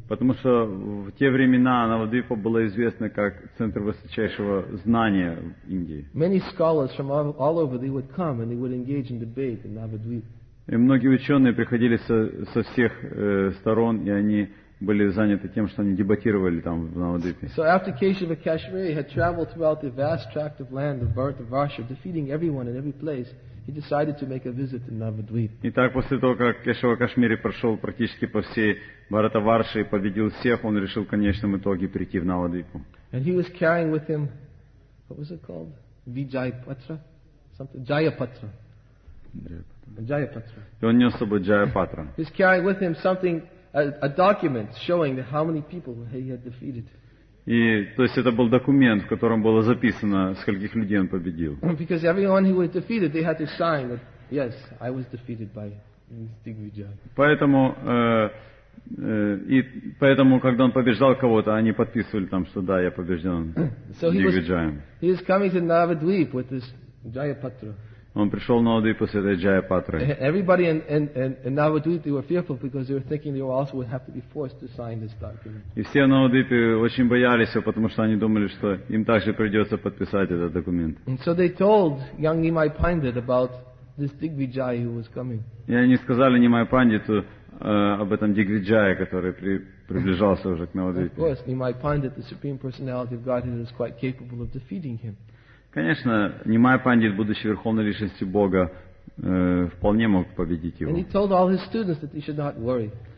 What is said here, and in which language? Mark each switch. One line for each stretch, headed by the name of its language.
Russian: Потому что в те времена Навадвипа была известна как центр высочайшего знания в Индии.
English: Many scholars from all over they would come and they would engage in debate in Navadvip.
Russian: И многие ученые приходили со всех сторон, и они были заняты тем, что они дебатировали там в Навадвипе.
English: So after Keshava Kashmiri had traveled throughout the vast tract of land of Bharatavarsha, defeating everyone in every place, he decided to make a visit to Navadvip.
Russian: Итак, после того, как Кешава Кашмири прошел практически по всей Бхаратаварше и победил всех, он решил в конечном итоге прийти в Навадвипу.
English: And he was carrying with him, what was it called? Vijayapatra? Something? Jayapatra. Jayapatra.
Russian: И он нес с собой Jayapatra.
English: He was carrying with him something, a document showing how many people he had defeated.
Russian: И, то есть это был документ, в котором было записано, скольких людей он победил.
English: Because everyone who was defeated, they had to sign that, yes, I was defeated by Digvijaya.
Russian: Поэтому, когда он побеждал кого-то, они подписывали там, что да, я побежден Digvijayam.
English: So he was coming to Navadvip with this Jayapatra.
Russian: Он пришел на Навадвипу с этой Джаяпатрой.
English: Everybody in Navadvip were fearful because they were thinking they also would have to be forced to sign this document.
Russian: И все на Навадвипе очень боялись, потому что они думали, что им также придется подписать этот документ.
English: And so they told young Nimai Pandit about this Digvijaya who was coming.
Russian: И они сказали Нимай Пандиту об этом Дигвиджае, который приближался уже к Навадвипе.
English: Of course, Nimai Pandit, the supreme personality of Godhead, was quite capable of defeating him.
Russian: Конечно, Нимай Пандит, будучи Верховной Личностью Бога, вполне мог победить его.